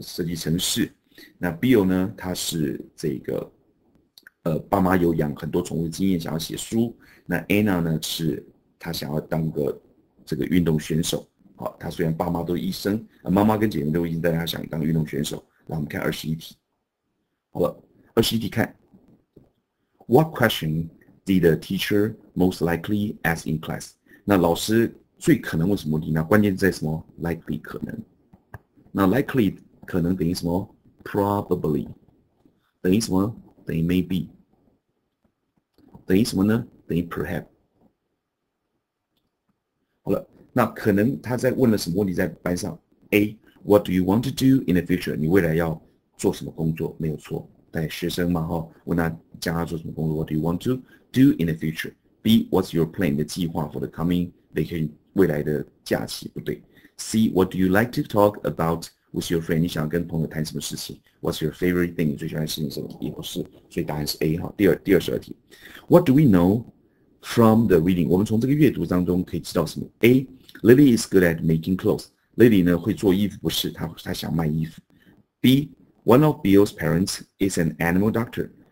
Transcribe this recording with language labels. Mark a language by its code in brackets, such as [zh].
[zh] 设计程式。那 Bill 呢？他是爸妈有养很多宠物经验，想要写书。那 Anna 呢？是她想要当个这个运动选手。好，她虽然爸妈都医生，妈妈跟姐姐都医生，但她想当运动选手。那我们看21题。好了，21题看， [en] What question did the teacher most likely ask in class？ [zh] 那老师最可能问什么问题呢？关键在什么？Likely 可能。那 likely 可能等于什么？ Probably 等于什么？等于 maybe 等于什么呢？等于 perhaps。好了，那可能他在问了什么问题在班上？A， [en] What do you want to do in the future？ [zh] 你未来要做什么工作？没有错，但学生嘛哈，问他将来做什么工作？ [en] What do you want to do in the future？B，What's your plan？ [zh] 你的计划 [en] for the coming vacation [zh] 未来的假期？不对。 [en] C，What do you like to talk about？ With your friend， [zh] 你想要跟朋友谈什么事情？ [en] What's your favorite thing？ [zh] 你最喜欢的事情什么？也不是，所以答案是 A 哈。 [en] 第二十二题，What do we know from the reading？ [zh] 我们从这个阅读当中可以知道什么？A， [en] Lily is good at making clothes。 [zh] Lily 呢会做衣服，不是，她想卖衣服。B， [en] One of Bill's parents is an animal doctor。